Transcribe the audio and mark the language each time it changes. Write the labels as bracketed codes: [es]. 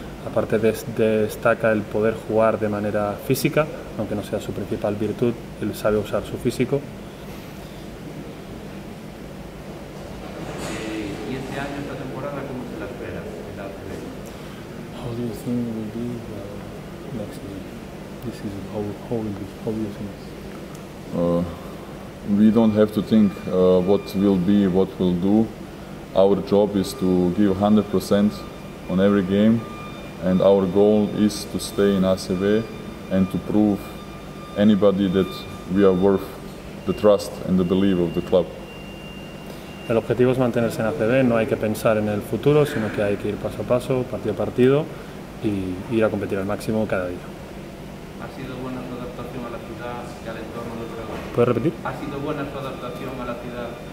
[es] Aparte destaca el poder jugar de manera física, aunque no sea su principal virtud, él sabe usar su físico. ¿Y este año, esta temporada, cómo se la espera? [en] How do you think will be the next season? This is how will be, how do you think? We don't have to think what will be, what will do. Our job is to give 100% on every game. And our goal is to stay in ACB and to prove anybody that we are worth the trust and the belief of the club. [es] El objetivo es mantenerse en ACB. No hay que pensar en el futuro, sino que hay que ir paso a paso, partido a partido, y ir a competir al máximo cada día. ¿Ha sido buena tu adaptación a la ciudad y al entorno de Breogán? ¿Puedes repetir? ¿Ha sido buena tu adaptación a la ciudad?